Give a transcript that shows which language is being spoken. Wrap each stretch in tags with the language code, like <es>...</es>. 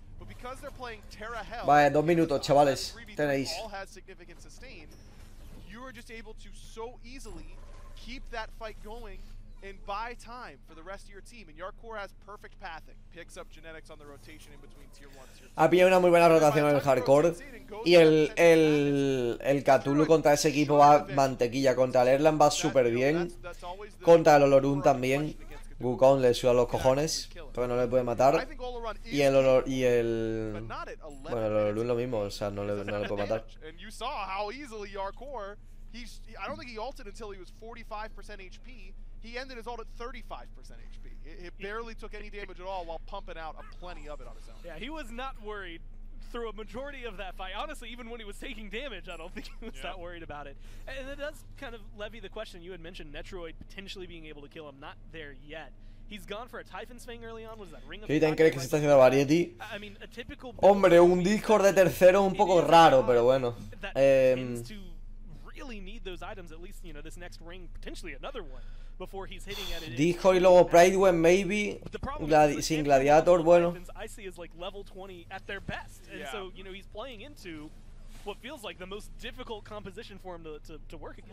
<en>But because they're playing Terra Hell,</en> <es>vale, 2 minutos, chavales. Tenéis.</es> <en>All has significant sustain. You are just able to so easily keep that fight going. And buy time for the rest of your team. And your core has perfect pathing. Picks up genetics on the rotation in between tier 1 and tier 2.</en> <es>Ha pillado una muy buena rotación en el hardcore. Y el Cthulhu contra ese equipo va mantequilla. Contra el Erland va súper bien. Contra el Olorun también. Wukong le suda los cojones. Pero no le puede matar. Y el olor y el bueno, el olor lo mismo, o sea, no le puedo matar.</es> <en>And you saw how easily your core, I don't think he ulted until he was 45% HP. He ended his ult at 35% HP. It barely took any damage at all while pumping out a plenty of it on his own. Yeah, he was not worried through a majority of that fight. Honestly, even when he was taking damage, I don't think he was that worried about it. And it does kind of levy the question you had mentioned, Netroid potentially being able to kill him. Not there yet. He's gone for a Typhon's Fang early on. Was that Ring of</en> <es>the Dragon? ¿Qué creen que se está haciendo Variety?</es> <en>I mean, a typical...</en> <es>Hombre, un Discord de tercero un poco raro, pero bueno.</es> <en>That to really need those items, at least, you know, this next ring, potentially another one. Before he's hitting at it.</en> <es>Discord y luego Pridewen, maybe. Sin Gladiator, bueno.</es> <en>I see is like level 20 at their best. And so, you know, he's playing into what feels like the most difficult composition for him to work against.</en>